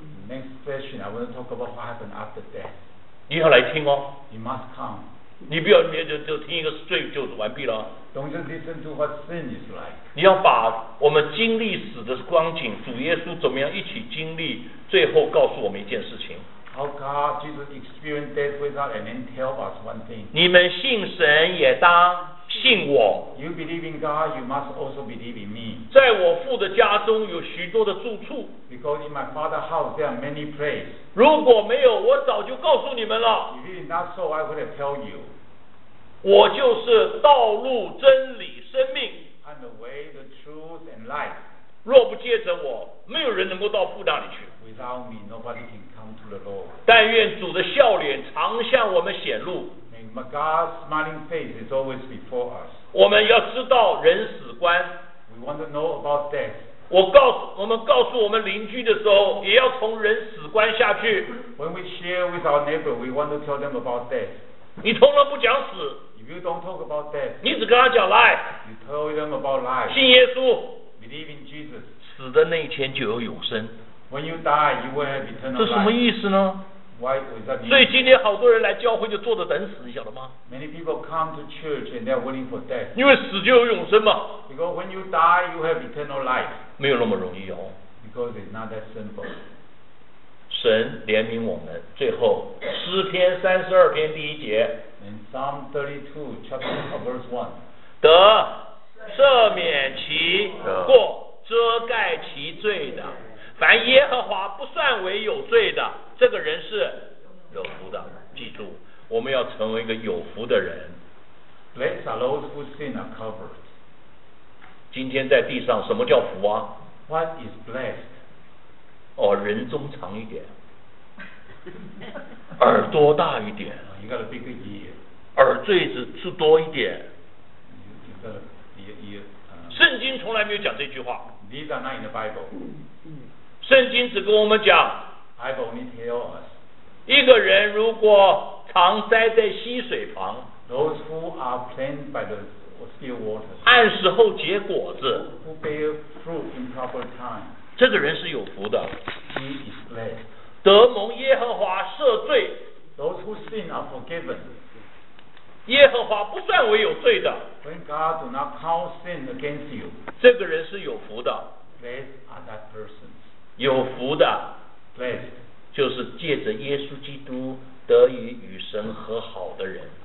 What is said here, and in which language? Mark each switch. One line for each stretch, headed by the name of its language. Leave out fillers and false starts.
English: Next session, I want to talk about what happened after death.
Chinese: 你要来听哦。
English: You must come.
Chinese: 你不要就听一个罪就完毕了。
English: Don't just listen to what sin is like.
Chinese: 你要把我们经历死的光景，主耶稣怎么样一起经历，最后告诉我们一件事情。
English: How God Jesus experienced death with us and then tell us one thing.
Chinese: 你们信神也当。信我。
English: You believe in God, you must also believe in me.
Chinese: 在我父的家中有许多的住处。
English: Because in my father's house there are many places.
Chinese: 如果没有，我早就告诉你们了。
English: If it is not so, I would have told you.
Chinese: 我就是道路、真理、生命。
English: I'm the way, the truth, and life.
Chinese: 若不借着我，没有人能够到父那里去。
English: Without me, nobody can come to the Lord.
Chinese: 但愿主的笑脸常向我们显露。
English: My God's smiling face is always before us.
Chinese: 我们要知道人死观。
English: We want to know about death.
Chinese: 我们告诉我们邻居的时候，也要从人死观下去。
English: When we share with our neighbor, we want to tell them about death.
Chinese: 你通常不讲死。
English: If you don't talk about death,
Chinese: 你只跟他讲 life.
English: You tell them about life.
Chinese: 信耶稣。
English: Believe in Jesus.
Chinese: 死的那一天就有永生。
English: When you die, you will have eternal life.
Chinese: 这什么意思呢？
English: Why does that mean?
Chinese: 所以今天好多人来教会就坐着等死，你晓得吗？
English: Many people come to church and they're waiting for death.
Chinese: 因为死就有永生嘛。
English: Because when you die, you have eternal life.
Chinese: 没有那么容易哦。
English: Because it's not that simple.
Chinese: 神怜悯我们，最后诗篇三十二篇第一节。
English: In Psalm 32, chapter verse 1.
Chinese: 得赦免其过，遮盖其罪的。凡耶和华不算为有罪的，这个人是有福的。记住，我们要成为一个有福的人。
English: Blessed are those whose sin are covered.
Chinese: 今天在地上，什么叫福啊？
English: What is blessed?
Chinese: 哦，人中长一点，耳朵大一点。
English: You got a bigger ear.
Chinese: 耳坠子是多一点。
English: You got a bigger ear.
Chinese: 圣经从来没有讲这句话。
English: These are not in the Bible.
Chinese: 圣经只跟我们讲，
English: Bible only tell us,
Chinese: 一个人如果常栽在溪水旁，
English: those who are planted by the still waters,
Chinese: 按时候结果子，
English: who bear fruit in proper time,
Chinese: 这个人是有福的。
English: He is blessed.
Chinese: 得蒙耶和华赦罪，
English: those who sin are forgiven.
Chinese: 耶和华不算为有罪的，
English: when God do not count sin against you,
Chinese: 这个人是有福的。
English: Blessed are that person.
Chinese: 有福的
English: blessed,
Chinese: 就是借着耶稣基督得以与神和好的人。